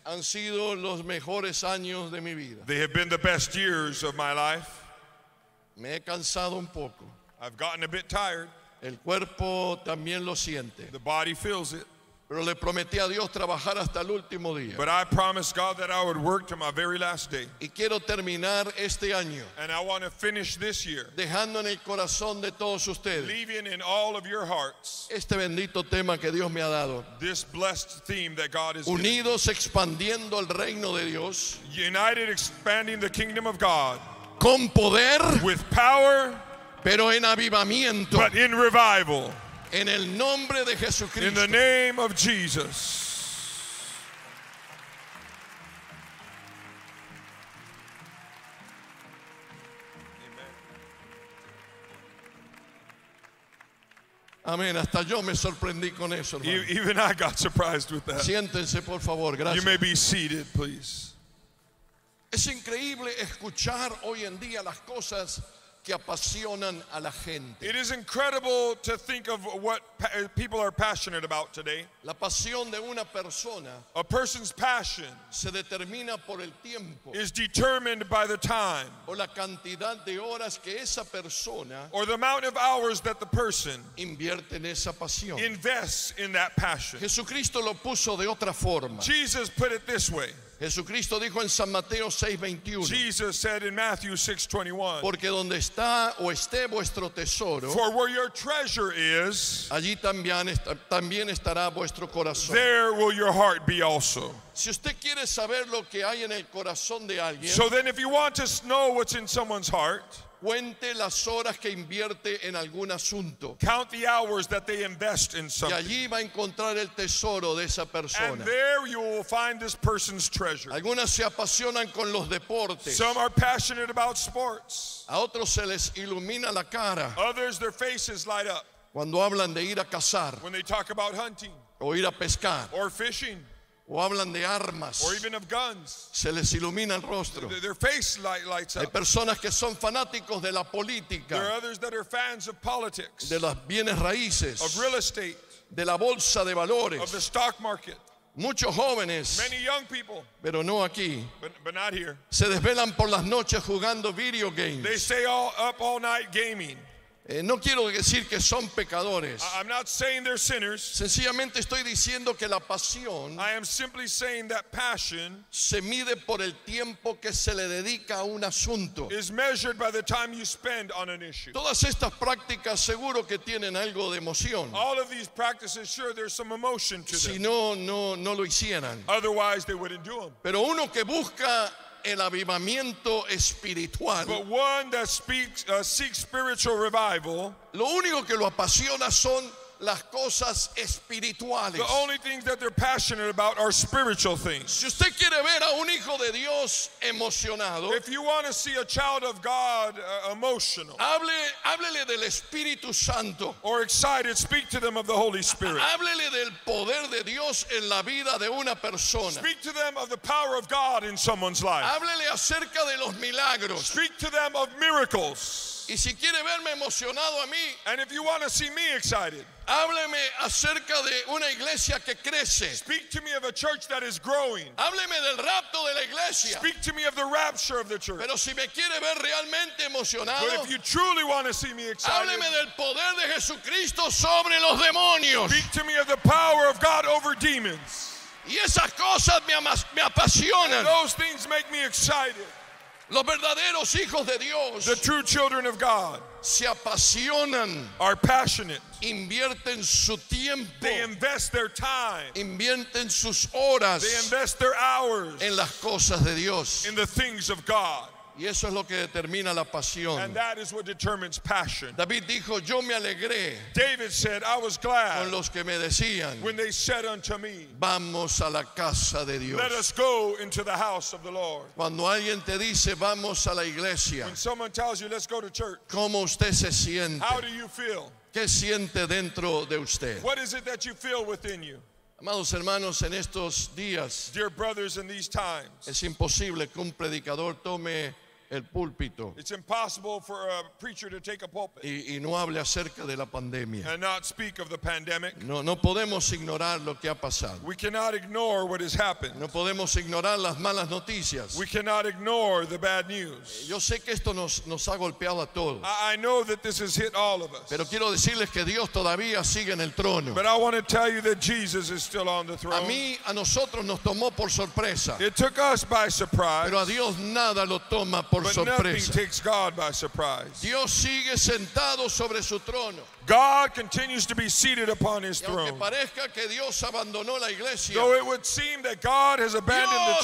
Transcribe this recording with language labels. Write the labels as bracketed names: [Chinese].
[Spanish] Han sido los mejores años de mi vida. [English] They have been the best years of my life. [Spanish] Me he cansado un poco. [English] I've gotten a bit tired. [Spanish] El cuerpo también lo siente. [English] The body feels it. [Spanish] Pero le prometí a Dios trabajar hasta el último día. [English] But I promised God that I would work to my very last day. [Spanish] Y quiero terminar este año. [English] And I want to finish this year. [Spanish] Dejando en el corazón de todos ustedes. [English] Leaving in all of your hearts. [Spanish] Este bendito tema que Dios me ha dado. [English] This blessed theme that God has [Spanish] unidos [English] given. [Spanish] Expandiendo el reino de Dios. [English] United expanding the kingdom of God. [Spanish] Con poder. [English] With power. [Spanish] Pero en avivamiento. [English] But in revival. [Spanish] En el nombre de Jesucristo. [English] In the name of Jesus. [Spanish] Amen. Amén. Hasta yo me sorprendí con eso, hermano. [English] Even I got surprised with that. [Spanish] Siéntense, por favor. Gracias. [English] You may be seated, please. [Spanish] Es increíble escuchar hoy en día las cosas que apasionan a la gente. [English] It is incredible to think of what people are passionate about today. [Spanish] La pasión de una persona, [English] a person's passion, [Spanish] se determina por el tiempo, [English] is determined by the time, [Spanish] o la cantidad de horas que esa persona, [English] or the amount of hours that the person, [Spanish] invierte en esa pasión, [English] invests in that passion. [Spanish] Jesucristo lo puso de otra forma. [English] Jesus put it this way. [Spanish] Jesucristo dijo en San Mateo 6:21. [English] Jesus said in Matthew 6:21. [Spanish] Porque donde está o esté vuestro tesoro, [English] for where your treasure is, [Spanish] allí también estará vuestro corazón. [English] There will your heart be also. [Spanish] Si usted quiere saber lo que hay en el corazón de alguien, [English] so then if you want to know what's in someone's heart, [Spanish] cuente las horas que invierte en algún asunto. [English] Count the hours that they invest in something. [Spanish] Y allí va a encontrar el tesoro de esa persona. [English] And there you will find this person's treasure. [Spanish] Algunas se apasionan con los deportes. [English] Some are passionate about sports. [Spanish] A otros se les ilumina la cara. [English] Others, their faces light up. [Spanish] Cuando hablan de ir a cazar. [English] When they talk about hunting. [Spanish] O ir a pescar. [English] Or fishing. [Spanish] O hablan de armas. [English] Or even of guns. [Spanish] Se les ilumina el rostro. [English] Their face lights up. [Spanish] Hay personas que son fanáticos de la política. [English] There are others that are fans of politics. [Spanish] De las bienes raíces. [English] Of real estate. [Spanish] De la bolsa de valores. [English] Of the stock market. [Spanish] Muchos jóvenes, [English] many young people, [Spanish] pero no aquí, [English] but not here, [Spanish] se desvelan por las noches jugando video games. [English] They stay all up all night gaming. [Spanish] No quiero decir que son pecadores. [English] I'm not saying they're sinners. [Spanish] Sencillamente estoy diciendo que la pasión, [English] I am simply saying that passion, [Spanish] se mide por el tiempo que se le dedica a un asunto. [English] Is measured by the time you spend on an issue. [Spanish] Todas estas prácticas seguro que tienen algo de emoción. [English] All of these practices, sure, there's some emotion to them. [Spanish] Si no, no lo hicieran. [English] Otherwise, they wouldn't do them. [Spanish] Pero uno que busca el avivamiento espiritual, [English] but one that speaks, seeks spiritual revival, [Spanish] lo único que lo apasiona son las cosas espirituales. [English] The only things that they're passionate about are spiritual things. [Spanish] Si usted quiere ver a un hijo de Dios emocionado, [English] if you want to see a child of God emotional, [Spanish] háblele del Espíritu Santo, [English] or excited, speak to them of the Holy Spirit. [Spanish] Háblele del poder de Dios en la vida de una persona. [English] Speak to them of the power of God in someone's life. [Spanish] Háblele acerca de los milagros. [English] Speak to them of miracles. [Spanish] Y si quiere verme emocionado a mí, [English] and if you want to see me excited, [Spanish] hábleme acerca de una iglesia que crece. [English] Speak to me of a church that is growing. [Spanish] Hábleme del rapto de la iglesia. [English] Speak to me of the rapture of the church. [Spanish] Pero si me quiere ver realmente emocionado, [English] but if you truly want to see me excited, [Spanish] hábleme del poder de Jesucristo sobre los demonios. [English] Speak to me of the power of God over demons. [Spanish] Y esas cosas me apasionan. [English] And those things make me excited. [Spanish] Los verdaderos hijos de Dios, [English] the true children of God, [Spanish] se apasionan, [English] are passionate, [Spanish] invierten su tiempo, [English] they invest their time, [Spanish] invierten sus horas, [English] they invest their hours, [Spanish] en las cosas de Dios, [English] in the things of God. [Spanish] Y eso es lo que determina la pasión. [English] And that is what determines passion. [Spanish] David dijo, yo me alegré. [English] David said, I was glad. [Spanish] Con los que me decían, [English] when they said unto me, [Spanish] vamos a la casa de Dios. [English] Let us go into the house of the Lord. [Spanish] Cuando alguien te dice, vamos a la iglesia. [English] When someone tells you, let's go to church. [Spanish] ¿Cómo usted se siente? [English] How do you feel? [Spanish] ¿Qué siente dentro de usted? [English] What is it that you feel within you? [Spanish] Amados hermanos, en estos días, [English] dear brothers, in these times, [Spanish] es imposible que un predicador tome el púlpito. [English] It's impossible for a preacher to take a pulpit. [Spanish] Y no hable acerca de la pandemia. [English] And not speak of the pandemic. [Spanish] No podemos ignorar lo que ha pasado. [English] We cannot ignore what has happened. [Spanish] No podemos ignorar las malas noticias. [English] We cannot ignore the bad news. [Spanish] Yo sé que esto nos ha golpeado a todos. [English] I know that this has hit all of us. [Spanish] Pero quiero decirles que Dios todavía sigue en el trono. [English] But I want to tell you that Jesus is still on the throne. [Spanish] A nosotros nos tomó por sorpresa. [English] It took us by surprise. [Spanish] Pero a Dios nada lo toma por [English] But nothing takes God by surprise. [Spanish] Dios sigue sentado sobre su trono. [English] God continues to be seated upon his throne. [Spanish] Y aunque parezca que Dios abandonó la iglesia, [English] though it would seem that God has abandoned